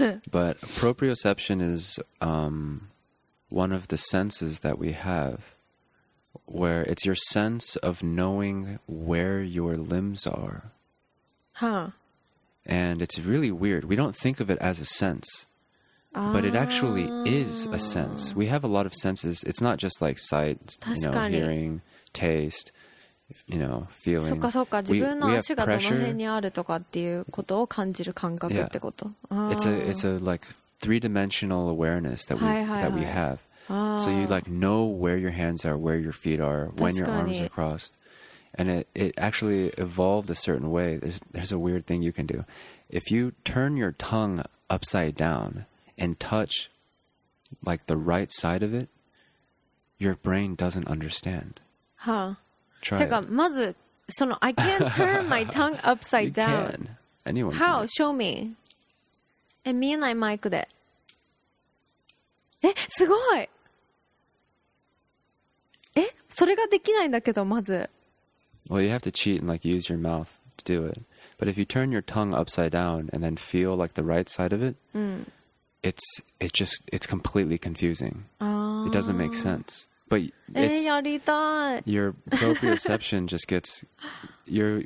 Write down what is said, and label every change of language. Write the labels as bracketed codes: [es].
[en] But proprioception is one of the senses that we have, where it's your sense of knowing where your limbs are. Huh. And it's really weird. We don't think of it as a sense, but it actually is a sense. We have a lot of senses. It's not just like sight, you know, hearing, taste, you know, feeling. [ja] そっかそっか。自分の足がどの辺にあるとかっていうことを感じる感覚ってこと。 [en] Yeah. It's a like three-dimensional awareness that we have. So you like know where your hands are, where your feet are, when your arms are crossed. And it actually evolved a certain way. There's a weird thing you can do. If you turn your tongue upside down and touch like the right side of it, your brain doesn't understand. Huh. Try it. [ja] まずその [en] I can't turn my tongue upside down. You can. Anyone How? Can. Show me. [ja] え、見えないマイクで。え、すごい。え、それができないんだけど、まず。 [en] Well, you have to cheat and like use your mouth to do it. But if you turn your tongue upside down and then feel like the right side of it, it's completely confusing. It doesn't make sense. But it's [ja] やりたい。 [en] Your proprioception just gets your.